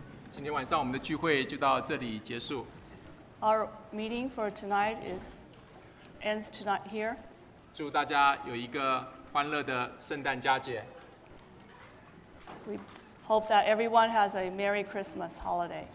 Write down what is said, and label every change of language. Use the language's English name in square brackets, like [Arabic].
[Chinese] 今天晚上我们的聚会就到这里结束。 [English] Our meeting for tonight ends tonight here. [Chinese] 祝大家有一个欢乐的圣诞佳节。 [English] We hope that everyone has a Merry Christmas holiday.